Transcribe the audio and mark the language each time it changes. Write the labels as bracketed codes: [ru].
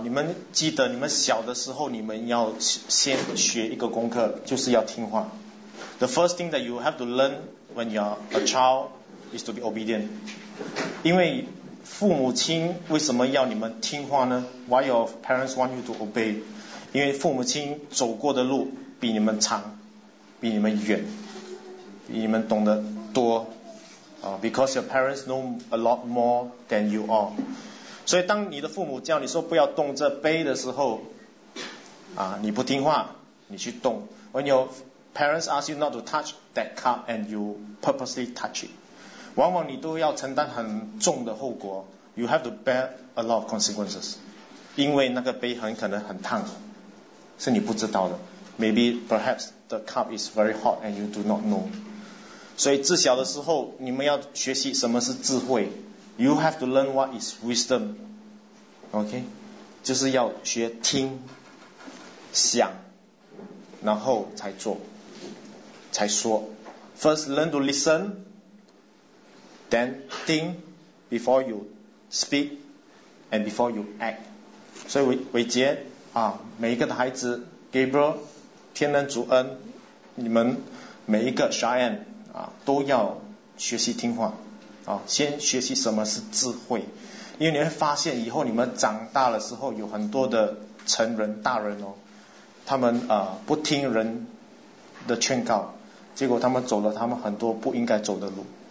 [zh] 你们记得，你们小的时候，你们要先学一个功课，就是要听话。 [en] The first thing that you have to learn when you are a child is to be obedient. [zh] 因为父母亲为什么要你们听话呢 ？ [en] Why your parents want you to obey？ [zh] 因为父母亲走过的路比你们长，比你们远，比你们懂得多。 [en] Because your parents know a lot more than you are。 [zh] 所以当你的父母叫你说不要动这杯的时候，你不听话，你去动。 [en] When your parents ask you not to touch that cup and you purposely touch it。 [zh] 往往你都要承担很重的后果 ， [en] You have to bear a lot of consequences， [zh] 因为那个杯很可能很烫，是你不知道的 ， [en] Maybe perhaps the cup is very hot and you do not know。 [zh] 所以自小的时候，你们要学习什么是智慧 ， [en] You have to learn what is wisdom， [zh] OK，、okay? 就是要学听、想，然后才做、才说。 [en] First learn to listen。 Then think before you speak and before you act. [zh] 所以伟杰啊，每一个的孩子 ，Gabriel， 天人主恩，你们每一个 Cheyenne 啊，都要学习听话啊，先学习什么是智慧，因为你会发现以后你们长大的时候，有很多的成人大人哦，他们不听人的劝告，结果他们走了他们很多不应该走的路。